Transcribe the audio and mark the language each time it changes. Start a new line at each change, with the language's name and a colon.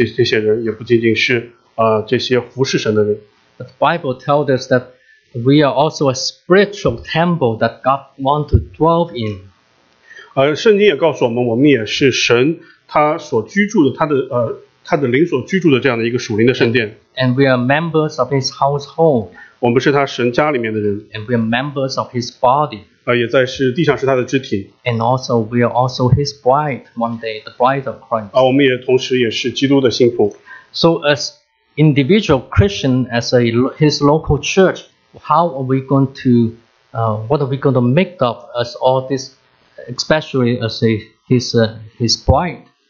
Chinese: 基督徒的不仅仅是属神的人，也不仅仅是在神国度的这样的这些人，也不仅仅是这些服侍神的人。
English: But the Bible tells us that we are also a spiritual temple that God wants to dwell in.
Chinese: 圣经也告诉我们，我们也是神他所居住的，他的。他的灵所居住的这样的一个属灵的圣殿。
English: And we are members of his household.
Chinese: 我们是他神家里面的人。
English: And we are members of his body.
Chinese: 也在是地上是他的肢体。
English: And also we are also his bride one day, the bride of Christ.
Chinese: 我们也同时也是基督的信徒。
English: So as individual Christian, as a his local church, how are we going to, what are we going to make up as all this, especially as a, his bride?